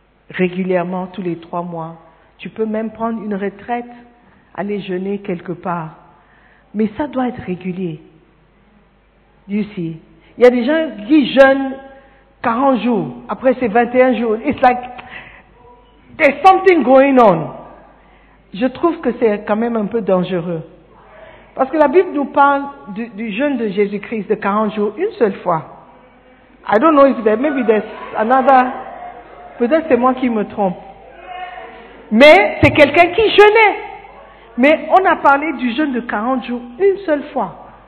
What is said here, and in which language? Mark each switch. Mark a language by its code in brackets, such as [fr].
[fr] Régulièrement, tous les 3 mois. Tu peux même prendre une retraite, aller jeûner quelque part. Mais ça doit être régulier. [en] You see? [fr] Il y a des gens qui jeûnent 40 jours, après c'est 21 jours. [en] It's like, there's something going on. [fr] Je trouve que c'est quand même un peu dangereux. Parce que la Bible nous parle du jeûne de Jésus-Christ de 40 jours une seule fois. [en] I don't know if there, maybe there's another, [fr] peut-être c'est moi qui me trompe. Mais c'est quelqu'un qui jeûnait. Mais on a parlé du jeûne de 40 jours une seule fois.